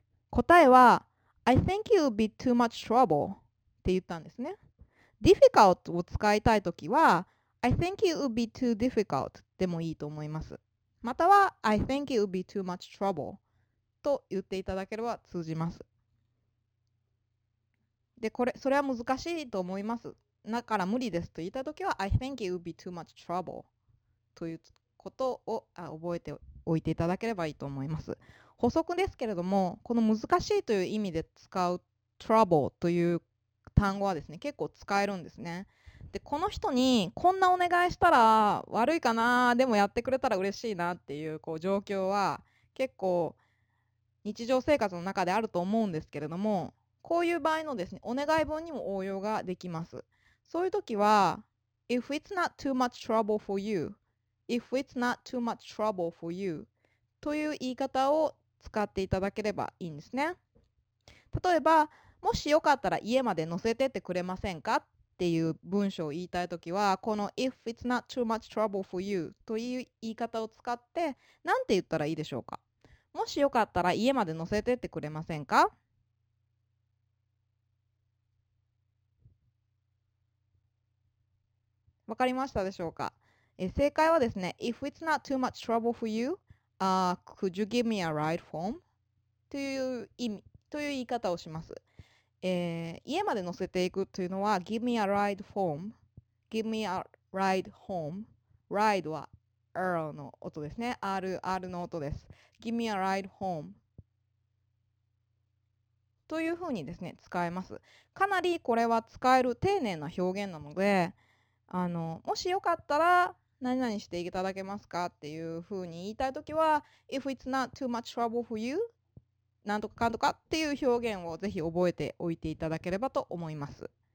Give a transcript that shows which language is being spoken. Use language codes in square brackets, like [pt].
[ja] 答えは、 [en] I think you'll be too much trouble [ja] って言ったんですね。 [en] difficult [ja] を使いたいときは、 [en] I think you'll be too difficult [ja] でもいいと思います。または、 [en] I think you'll be too much trouble [ja] と言っていただければ通じます。で、これ、それは難しいと思います。だから無理ですと言ったときは、 [en] I think you'll be too much trouble [ja] ということを覚えておいていただければいいと思います。補足ですけれども、この難しいという意味で使う trouble という単語はですね、結構使えるんですね。で、この人にこんなお願いしたら悪いかな、でもやってくれたら嬉しいなっていう、こう状況は結構日常生活の中であると思うんですけれども、こういう場合のですね、お願い文にも応用ができます。 [en] そういう時は、If it's not too much trouble for you, if it's not too much trouble for you, [ja] という言い方を使っていただければいいんですね。例えば、もしよかったら家まで乗せてってくれませんかっていう文章を言いたいときは、この [en] If it's not too much trouble for you [ja] という言い方を使って、なんて言ったらいいでしょうか。もしよかったら家まで乗せてってくれませんか。わかりましたでしょうか。正解はですね、 [en] If it's not too much trouble for you,could you give me a ride home? [ja] という言い方をします。家まで乗せていくというのは、 [en] give me a ride home, give me a ride home. [ja] Ride は R の音ですね。 [en] RR [ja] の音です。 [en] give me a ride home. [ja] というふうにですね、使えます。かなりこれは使える丁寧な表現なので、もしよかったら、何々していただけますかっていうふうに言いたいときは、 [en] If it's not too much trouble for you [ja] なんとかかんとかっていう表現をぜひ覚えておいていただければと思います。